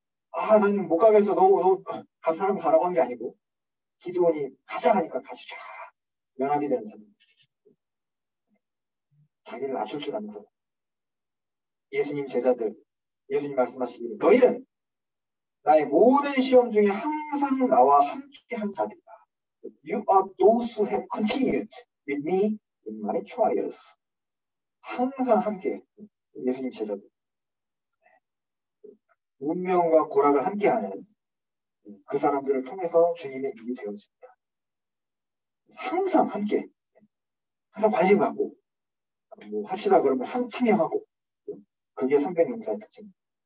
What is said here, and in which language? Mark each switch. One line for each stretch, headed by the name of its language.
Korean: 아, 나는 못 가겠어. 너무 간 사람 가라고 한게 아니고, 기도원이 가자 하니까 같이 쫙 연합이 되는 사람. 자기를 낮출 줄 아는 사람. 예수님 제자들, 예수님 말씀하시기를, 너희는 나의 모든 시험 중에 항상 나와 함께 한 자들이다.
English: You are those who have continued with me in my trials.
Korean: 항상 함께, 예수님 제자들. 운명과 고락을 함께하는 그 사람들을 통해서 주님의 일이 되어집니다. 항상 함께, 항상 관심 갖고, 뭐 합시다 그러면 참여하고, 그게 300용사의 특징입니다.